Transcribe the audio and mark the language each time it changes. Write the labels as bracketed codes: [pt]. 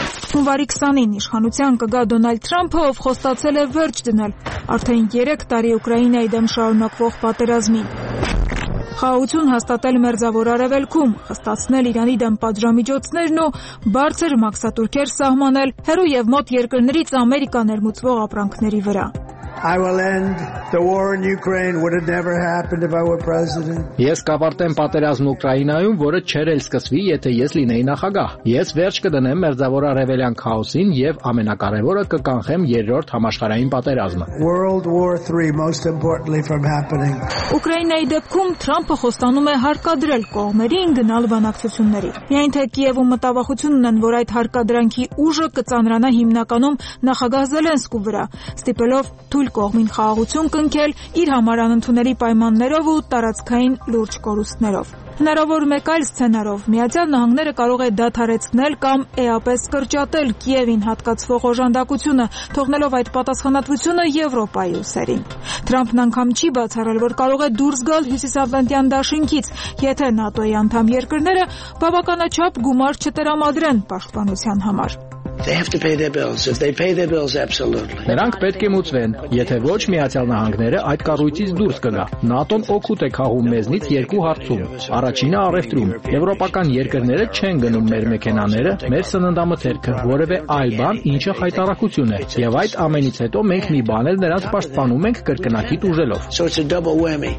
[hy] Հունվարի 20-ին իշխանության կգա Դոնալդ Թրամփը, ով խոստացել է վերջ դնել արդեն 3 տարի Ուկրաինայի դեմ շարունակվող պատերազմին։ Խաղաղություն հաստատել մերձավոր արևելքում, հստացնել Իրանի դեմ պատժամիջոցներն ու բարձր մակսատուրքեր սահմանել հերու եւ մոտ երկրներից Ամերիկա ներմուծվող ապրանքների վրա։ [en] I will end the war in Ukraine. Would have never happened if I were president. [hy] Ես կապարտեմ պատերազմ Ուկրաինայում, որը չեր էլ սկսվի, եթե ես լինեի նախագահ։ Ես վերջ կդնեմ մերձավոր արևելյան քաոսին եւ ամենակարևորը կկանխեմ երրորդ համաշխարհային պատերազմը։ [en] World War 3 most importantly from happening. [hy] Ուկրաինայի դեպքում Թրամփը խոստանում է հարկադրել կողմերին գնալ բանակցությունների։ Միայն թե Կիևը մտավախություն ունեն, որ այդ հարկադրանքի ուժը կծանրանա հիմնականում նախագահ Զելենսկու վրա, ստիպելով թույլ կողմին խաղաղություն կնքել իր համար անընդունելի պայմաններով ու տարածքային լուրջ կորուստներով։ Հնարավոր մեկ այլ սցենարով Միացյալ Նահանգները կարող է դադարեցնել կամ էապես կրճատել Կիևին հատկացվող օժանդակությունը, թողնելով այդ պատասխանատվությունը Եվրոպայի ուսերին։ Թրամփն անգամ չի բացառել, որ կարող է դուրս գալ Հյուսիսատլանտյան դաշինքից, եթե ՆԱՏՕ-ի անդամ երկրները բավականաչափ գումար չտրամադրեն պաշտպանության համար։ [en] They have to pay their bills. If they pay their bills absolutely. [hy] Նրանք պետք է մուծվեն, եթե ոչ Միացյալ Նահանգները այդ կառույցից դուրս գնա։ ՆԱՏՕ-ն օգուտ է քաղում մեզնից երկու հարցում։ Առաջինը՝ առևտրում։ Եվրոպական երկրները չեն գնում մեր մեքենաները, մեր սննդամթերքը, որևէ այլ բան, ինչը հայտարարություն է։ Եվ այդ ամենից հետո մենք մի բան էլ նրանց պաշտպանում ենք կրկնակի դուժելով։